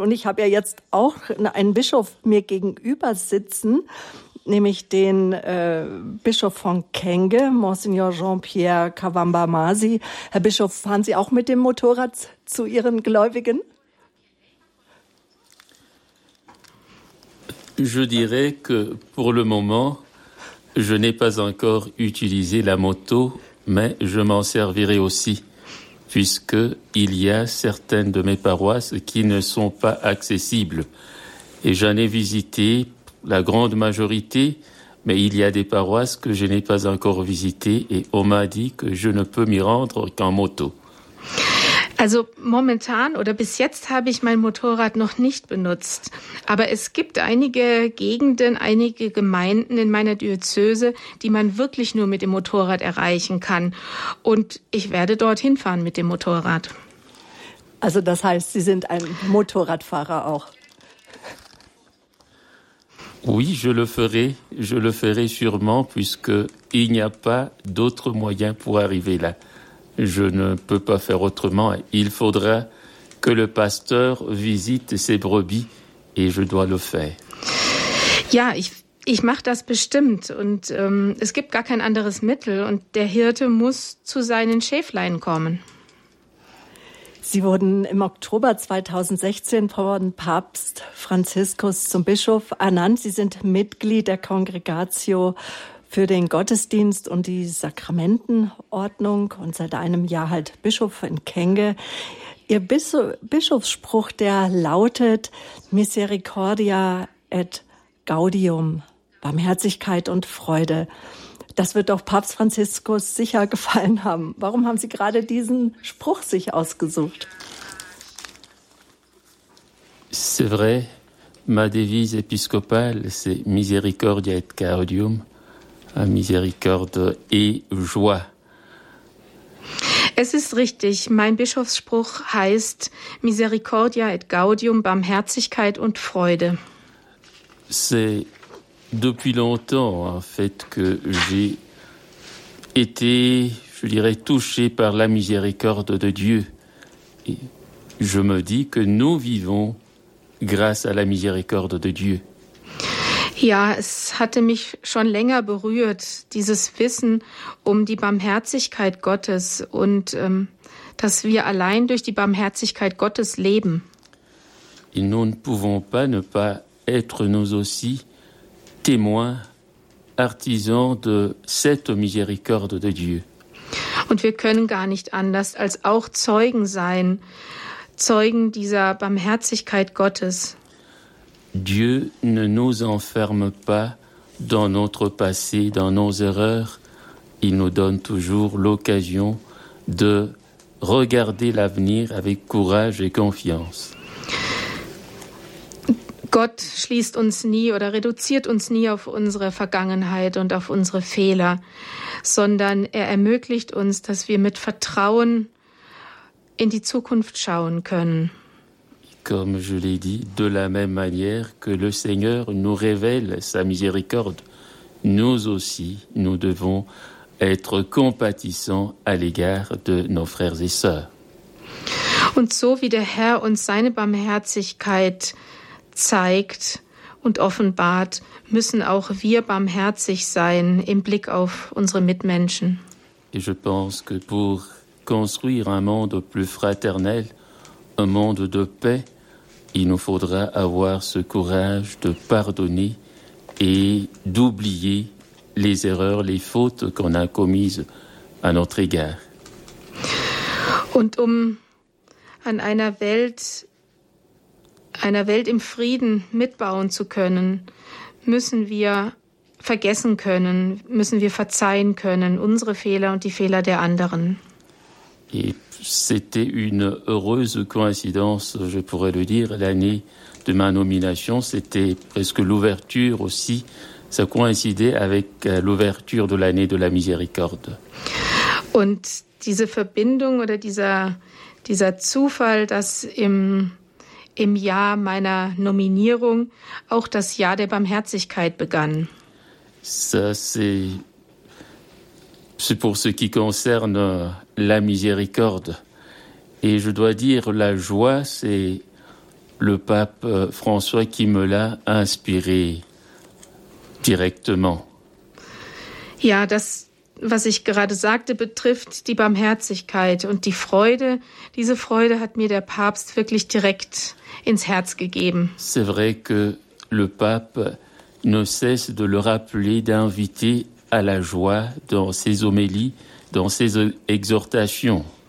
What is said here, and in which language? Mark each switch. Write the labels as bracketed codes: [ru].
[de] Und ich habe ja jetzt auch einen Bischof mir gegenüber sitzen, nämlich den Bischof von Kenge, Monsignor Jean-Pierre Kavamba-Masi. Herr Bischof, fahren Sie auch mit dem Motorrad zu Ihren Gläubigen? [fr] Je dirais que pour le moment, je n'ai pas encore utilisé la moto, mais je m'en servirai aussi, puisque il y a certaines de mes paroisses qui ne sont pas accessibles. Et j'en ai visité la grande majorité, mais il y a des paroisses que je n'ai pas encore visitées et on m'a dit que je ne peux m'y rendre qu'en moto. [de] Also momentan oder bis jetzt habe ich mein Motorrad noch nicht benutzt. Aber es gibt einige Gegenden, einige Gemeinden in meiner Diözese, die man wirklich nur mit dem Motorrad erreichen kann. Und ich werde dorthin fahren mit dem Motorrad. Also das heißt, Sie sind ein Motorradfahrer auch? [fr] Oui, je le ferai sûrement, puisque il n'y a pas d'autre moyen pour arriver là. Je ne peux pas faire autrement. Il faudra que le pasteur visite ses brebis et je dois le faire. [de] Ja, ich mache das bestimmt. Und es gibt gar kein anderes Mittel. Und der Hirte muss zu seinen Schäflein kommen. Sie wurden im Oktober 2016 von Papst Franziskus zum Bischof ernannt. Sie sind Mitglied der Kongregatio für den Gottesdienst und die Sakramentenordnung und seit einem Jahr halt Bischof in Kenge. Ihr Bischofsspruch, der lautet Misericordia et Gaudium, Barmherzigkeit und Freude. Das wird doch Papst Franziskus sicher gefallen haben. Warum haben Sie gerade diesen Spruch sich ausgesucht? [fr] C'est vrai, ma devise épiscopale, c'est Misericordia et Gaudium. Miséricorde et joie. [de] Es ist richtig. Mein Bischofsspruch heißt Misericordia et Gaudium, Barmherzigkeit und Freude. [fr] C'est depuis longtemps, en fait, que j'ai été, je dirais, touché par la miséricorde de Dieu. Et je me dis que nous vivons grâce à la miséricorde de Dieu. [de] Ja, es hatte mich schon länger berührt, dieses Wissen um die Barmherzigkeit Gottes und dass wir allein durch die Barmherzigkeit Gottes leben. [fr] Et nous ne pouvons pas ne pas être nous aussi témoins, artisans de cette miséricorde de Dieu. [de] Und wir können gar nicht anders als auch Zeugen sein, Zeugen dieser Barmherzigkeit Gottes. [fr] Dieu ne nous enferme pas dans notre passé, dans nos erreurs. Il nous donne toujours l'occasion de regarder l'avenir avec courage et confiance. [de] Gott schließt uns nie oder reduziert uns nie auf unsere Vergangenheit und auf unsere Fehler, sondern er ermöglicht uns, dass wir mit Vertrauen in die Zukunft schauen können. [fr] Comme je l'ai dit, de la même manière que le Seigneur nous révèle sa miséricorde, nous aussi, nous devons être compatissants à l'égard de nos frères et sœurs. [de] Und so wie der Herr uns seine Barmherzigkeit zeigt und offenbart, müssen auch wir barmherzig sein im Blick auf unsere Mitmenschen. [fr] Et je pense que pour construire un monde plus fraternel, un monde de paix, il nous faudra avoir ce courage de pardonner et d'oublier les erreurs, les fautes qu'on a commises à notre égard. [de] Und an einer Welt im Frieden mitbauen zu können, müssen wir vergessen können, müssen wir verzeihen können, unsere Fehler und die Fehler der anderen. [fr] Et c'était une heureuse coïncidence, je pourrais le dire, l'année de ma nomination. C'était presque l'ouverture aussi. Ça coïncidait avec l'ouverture de l'année de la miséricorde. [de] Und diese Verbindung oder dieser Zufall, dass im Jahr meiner Nominierung auch das Jahr der Barmherzigkeit begann. [fr] Ça, c'est pour ce qui concerne la miséricorde. Et je dois dire, la joie, c'est le pape François qui me l'a inspiré directement. [de] Ja, das, was ich gerade sagte, betrifft die Barmherzigkeit und die Freude. Diese Freude hat mir der Papst wirklich direkt ins Herz gegeben. [fr] C'est vrai que le pape ne cesse de le rappeler, d'inviter à la joie dans ses homélies, dans ses exhortations.